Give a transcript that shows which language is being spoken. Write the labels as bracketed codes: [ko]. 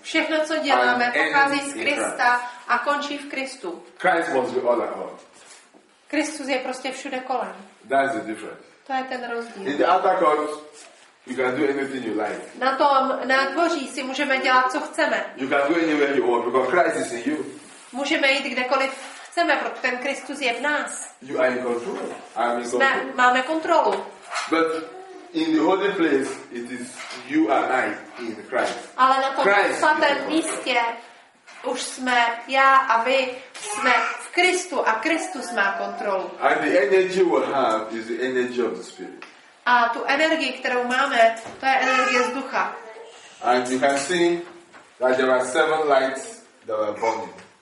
[cs] Všechno, co děláme, pochází z Krista a končí v Kristu. [en] Christ must be all at all. [cs] Kristus je prostě všude kolem. [en] That's the difference. [cs] To je ten rozdíl. [en] In the altar court, you can do anything you like. [cs] Na tom nádvoří si můžeme dělat, co chceme. [en] You can go anywhere you want because Christ is in you. [cs] Můžeme jít kdekoliv chceme, protože ten Kristus je v nás. [en] You are in control. I am in control. [cs] Máme kontrolu. [en] But in the holy place, it is you and I in Christ. [cs] Ale na tom svatém místě už jsme já a vy jsme v Kristu a Kristus má kontrolu. [en] And the energy we have is the energy of the Spirit. [cs] A tu energii, kterou máme, to je energie z ducha. [en] And you can see that there are seven lights that are burning.